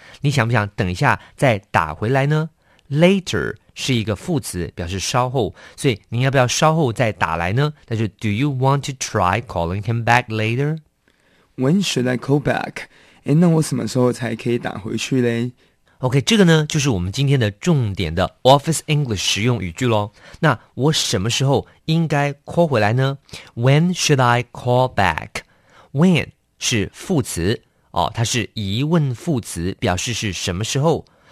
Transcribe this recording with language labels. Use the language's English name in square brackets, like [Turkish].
[Chinese] 你想不想等一下再打回来呢？Later 是一个副词，表示稍后，所以您要不要稍后再打来呢？那就 [English] Do you want to try calling him back later? When should I call back? [Chinese] 诶，那我什么时候才可以打回去勒？ OK, 这个呢就是我们今天的重点的 Office English 实用语句咯。那我什么时候应该 call 回来呢？ [English] When should I call back? [Chinese] When 是副词哦，它是疑问副词，表示是什么时候。